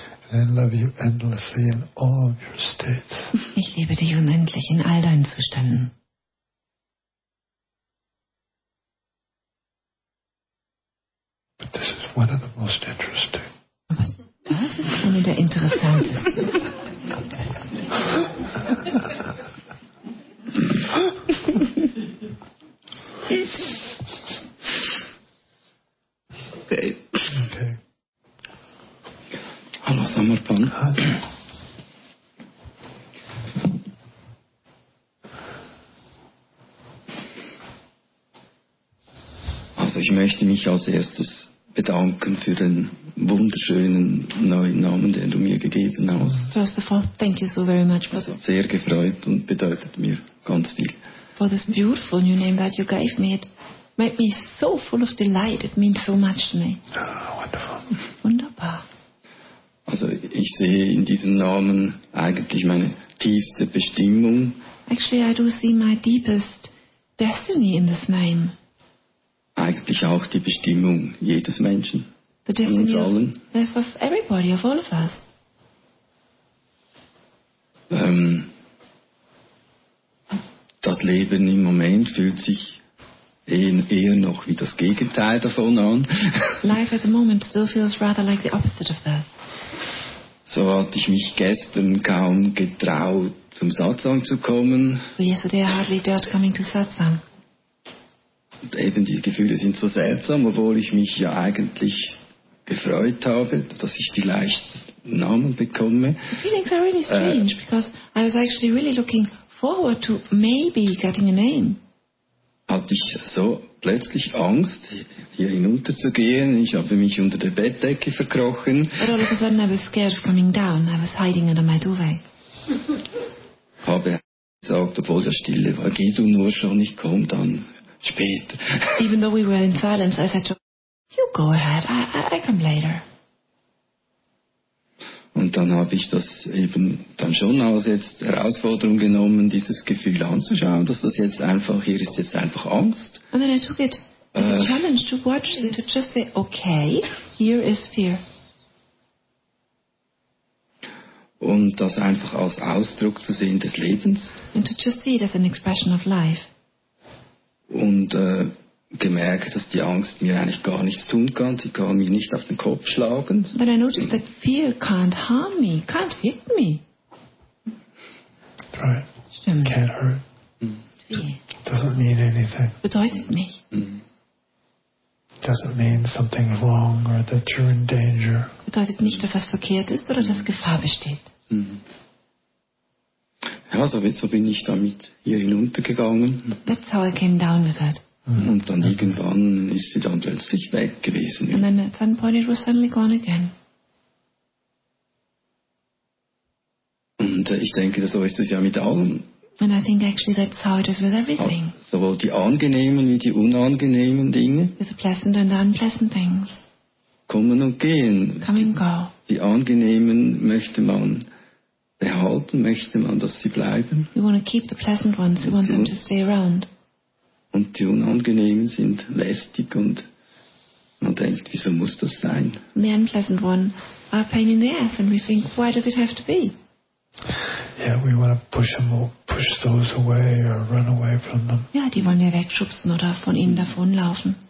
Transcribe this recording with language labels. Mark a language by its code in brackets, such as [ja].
[en] And I love you endlessly in all of your states. [de] Ich liebe dich unendlich in all deinen Zuständen. [en] But this is one of the most interesting. [de] Das ist eine der interessantesten. [en] Okay. [de] Hallo Samarpan. Hallo. Also ich möchte mich als erstes bedanken für den wunderschönen neuen Namen, den du mir gegeben hast. [en] First of all, thank you so very much. [de] Das hat sehr gefreut und bedeutet mir ganz viel. [en] For this beautiful new name that you gave me, it made me so full of delight. It means so much to me. Oh, wonderful. [de] Wunderbar. Also ich sehe in diesem Namen eigentlich meine tiefste Bestimmung. [en] Actually, I do see my deepest destiny in this name. [de] Eigentlich auch die Bestimmung jedes Menschen. [en] The destiny of everybody, of all of us. [de] Das Leben im Moment fühlt sich eher noch wie das Gegenteil davon an. [en] Life at the moment still feels rather like the opposite of that. [de] So hatte ich mich gestern kaum getraut, zum Satsang zu kommen. [en] So yesterday I hardly dared coming to Satsang. [de] Und eben die Gefühle sind so seltsam, obwohl ich mich ja eigentlich gefreut habe, dass ich vielleicht einen Namen bekomme. [en] The feelings are really strange, because I was actually really looking forward to maybe getting a name. [de] Hatte ich so plötzlich Angst, hier hinunter zu gehen. Ich habe mich unter der Bettdecke verkrochen. [en] But all of a sudden I was scared of coming down. I was hiding under my duvet. [de] habe gesagt, obwohl der Stille war, geh du nur schon, ich komm dann später. [en] Even though we were in silence, I said to you go ahead, I come later. [de] Und dann habe ich das eben dann schon als jetzt Herausforderung genommen, dieses Gefühl anzuschauen, dass das jetzt einfach, hier ist jetzt einfach Angst. [en] And then I took it as a challenge to watch and to just say, okay, here is fear. [de] Und das einfach als Ausdruck zu sehen des Lebens. [en] And to just see it as an expression of life. [de] Und gemerkt, dass die Angst mir eigentlich gar nichts tun kann. Sie kann mich nicht auf den Kopf schlagen. [en] But I noticed that fear can't harm me, can't hit me. Right. Stimmt. Can't hurt. Fear. Doesn't mean anything. [de] Bedeutet nicht. [en] Doesn't mean something wrong or that you're in danger. [de] Bedeutet nicht, dass was verkehrt ist oder dass Gefahr besteht. Ja, so bin ich damit hier hinuntergegangen. [en] That's how I came down with that. [de] Und dann irgendwann ist sie dann plötzlich weg gewesen. [en] And then at some point it was suddenly gone again. [de] Und ich denke, so ist es ja mit allem. [en] And I think actually that's how it is with everything. [de] Sowohl die angenehmen wie die unangenehmen Dinge. [en] With the pleasant and unpleasant things. [de] Kommen und gehen. [en] Come and go. [de] Die angenehmen möchte man behalten, möchte man, dass sie bleiben. [en] We want to keep the pleasant ones. We want them to stay around. [de] Und die unangenehmen sind lästig und man denkt, wieso muss das sein? [en] The unpleasant one are a pain in the ass and we think, why does it have to be? Yeah, we want to push them all, push those away or run away from them. [de] Ja, die wollen wir wegschubsen oder von ihnen davonlaufen.